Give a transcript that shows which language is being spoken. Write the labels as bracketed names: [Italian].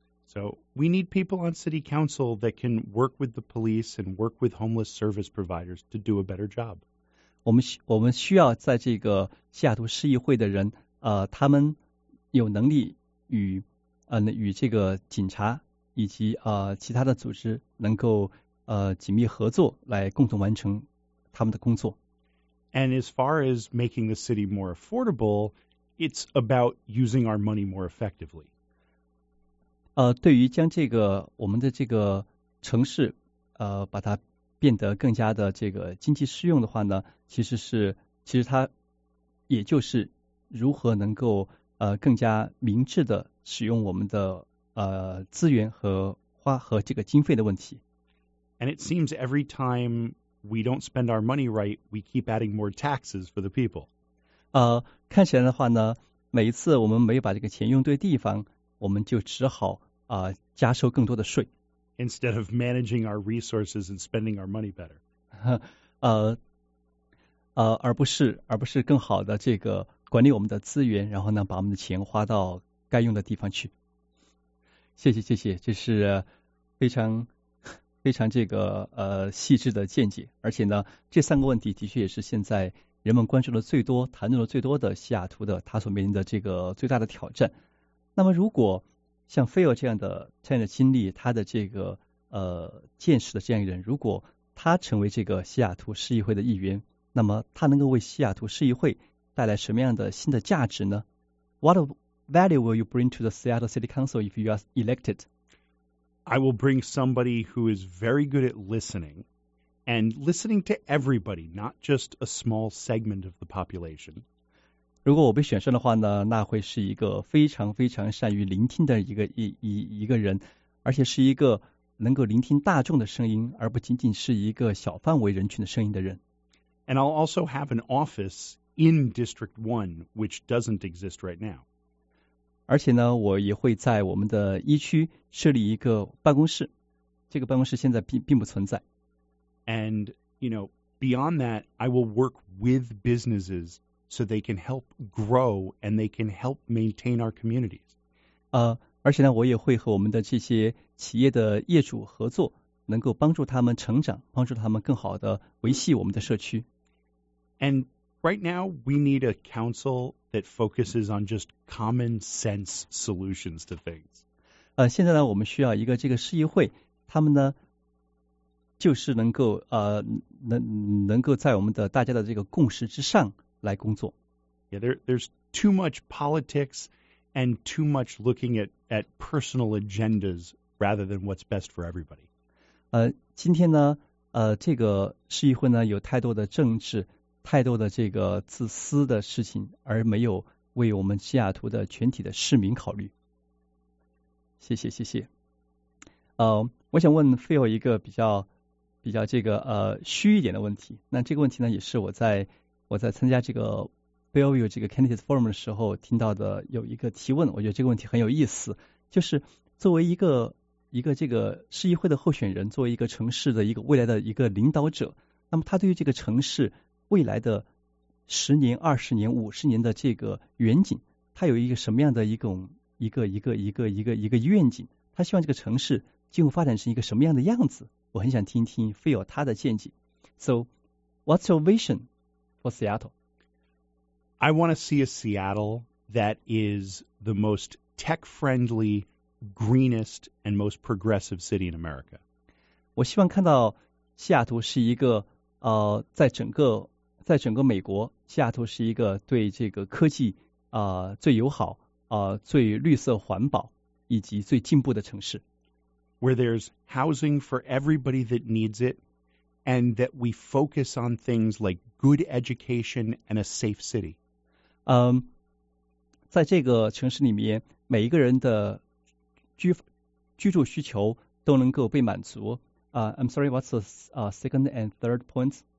[English] So we need people on city council that can work with the police and work with homeless service providers to do a better job. [Chinese] 我们需要在这个西雅图市议会的人，他们有能力与这个警察以及其他的组织能够紧密合作，来共同完成他们的工作。 [English] And as far as making the city more affordable, it's about using our money more effectively. [Chinese] 对于将这个我们的这个城市把它变得更加的这个经济适用的话呢，其实它也就是如何能够更加明智的使用我们的资源和这个经费的问题。 [English] And it seems every time we don't spend our money right, we keep adding more taxes for the people. [Chinese] 看起来的话呢，每一次我们没有把这个钱用对地方，我们就只好加收更多的税。 [English] Instead of managing our resources and spending our money better. [Chinese] 而不是更好的这个管理我们的资源，然后呢把我们的钱花到该用的地方去。谢谢，这是非常非常这个细致的见解。而且呢这三个问题的确也是现在人们关注的最多，谈论的最多的西雅图的他所面临的这个最大的挑战。那么如果像 Phil 这样的参与的经历，他的这个见识的这样一个人，如果他成为这个西雅图市议会的议员，那么他能够为西雅图市议会带来什么样的新的价值呢？ [English] What value will you bring to the Seattle City Council if you are elected? I will bring somebody who is very good at listening, and listening to everybody, not just a small segment of the population. [Chinese] 如果我被选上的话呢，那会是一个非常非常善于聆听的一个人，而且是一个能够聆听大众的声音，而不仅仅是一个小范围人群的声音的人。 [English] And I'll also have an office in District 1, which doesn't exist right now. [Chinese] 而且呢，我也会在我们的一区设立一个办公室，这个办公室现在并不存在。 [English] And, you know, beyond that, I will work with businesses so they can help grow and they can help maintain our communities. [Chinese] 而且呢，我也会和我们的这些企业的业主合作，能够帮助他们成长，帮助他们更好的维系我们的社区。 [English] And right now, we need a council that focuses on just common sense solutions to things. [Chinese] 现在呢，我们需要一个这个市议会，他们呢，就是能够能够在我们的大家的这个共识之上来工作。 [English] Yeah, there's too much politics and too much looking at personal agendas rather than what's best for everybody. [Chinese] 今天呢，这个市议会呢有太多的政治，太多的这个自私的事情，而没有为我们西雅图的全体的市民考虑。谢谢，谢谢。我想问 Phil 一个比较这个虚一点的问题。那这个问题呢，也是我在参加这个 Bellevue 这个 Candidate Forum 的时候听到的，有一个提问，我觉得这个问题很有意思，就是作为一个这个市议会的候选人，作为一个城市的一个未来的一个领导者，那么他对于这个城市未来的十年、二十年、五十年的这个远景，他有一个什么样的一个愿景？他希望这个城市今后发展成一个什么样的样子？我很想听听 Phil 他的见解。 [English] So, what's your vision for Seattle? I want to see a Seattle that is the most tech-friendly, greenest, and most progressive city in America. [Chinese] 我希望看到西雅图是一个在整个美国，西雅图是一个对这个科技最友好最绿色环保以及最进步的城市。 [English] Where there's housing for everybody that needs it, and that we focus on things like good education and a safe city. [Chinese] 在这个城市里面，每一个人的居住需求都能够被满足。 [English] I'm sorry, what's the second and third points?